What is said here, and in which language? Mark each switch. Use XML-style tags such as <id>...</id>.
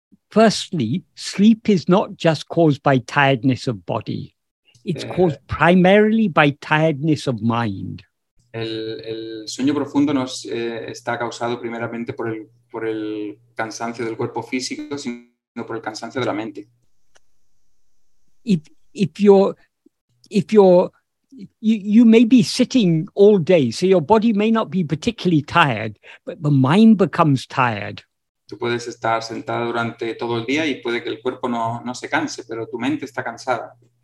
<en>Firstly, sleep is not just caused by tiredness of body. It's caused primarily by tiredness of mind.</en> <es>El sueño profundo no está causado primeramente por el cansancio del cuerpo físico, sino por el cansancio de la mente.</es> <en>If you may be sitting all day, so your body may not be particularly tired, but the mind becomes tired.</en> <es>Tú puedes estar sentado durante todo el día y puede que el cuerpo no se canse, pero tu mente está cansada.</es>